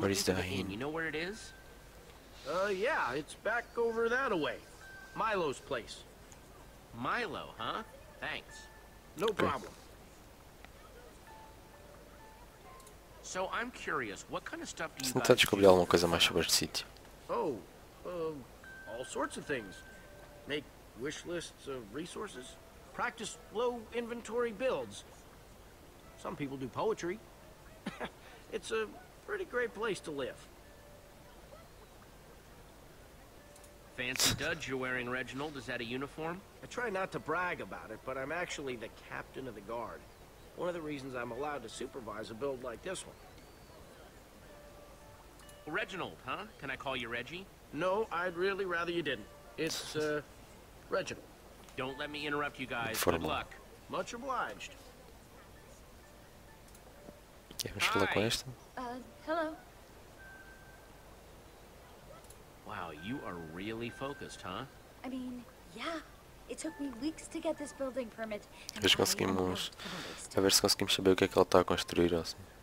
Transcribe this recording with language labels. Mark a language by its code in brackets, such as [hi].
[en] where is the inn? You know where it is? Yeah, it's back over that way. Milo's place. Milo, huh? Thanks. No problem. So I'm curious, what kind of stuff do you [pt] tentar descobrir alguma coisa mais sobre este sítio? [en] All sorts of things. Make wish lists of resources. Practice low inventory builds. Some people do poetry. It's a pretty great place to live. Fancy duds you're wearing, Reginald. Is that a uniform? I try not to brag about it, but I'm actually the captain of the guard. One of the reasons I'm allowed to supervise a build like this one. Reginald, huh? Can I call you Reggie? No, I'd really rather you didn't. It's, Reginald. Don't let me interrupt you guys. Good luck. Much obliged. Hi. Hello. Wow, you are really focused, huh? I mean, yeah. It took me weeks to get this building permit. [pt] Nós conseguimos. A ver se conseguimos saber o que é que ela está a construir, assim.